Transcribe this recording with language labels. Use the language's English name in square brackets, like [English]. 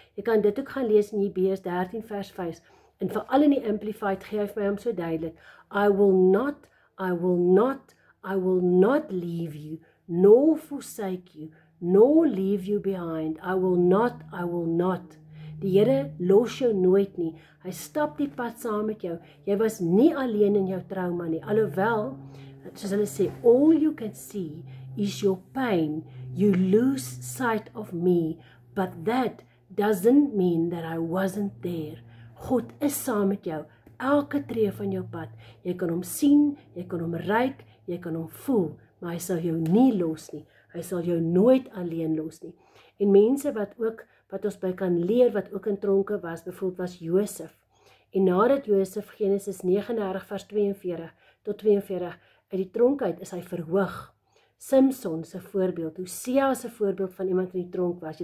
[Afrikaans] Jy kan dit ook gaan lees in Hebreërs 13 vers 5, en vir al in die Amplified geef my hom so duidelik, [English] I will not, I will not, I will not leave you, nor forsake you, nor leave you behind. I will not, I will not. [Afrikaans] Die Here los jou nooit nie. Hy stap die pad saam met jou. Jy was nie alleen in jou trauma nie. Alhoewel, soos hulle sê, [English] all you can see is your pain. You lose sight of me, but that doesn't mean that I wasn't there. [Afrikaans] God is saam met jou, elke tree van jou pad. Jy kan hom sien, jy kan hom ruik, jy kan hom voel, maar hy sal jou nie los nie. Hy sal jou nooit alleen los nie. En mense wat ook, wat ons by kan leer, wat ook in tronke was, bijvoorbeeld was Josef. En nadat Josef, Genesis 39 vers 42 tot 42, uit die tronk uit is hy verhoog. Simson is een voorbeeld, Hosea is een voorbeeld van iemand in die tronk was.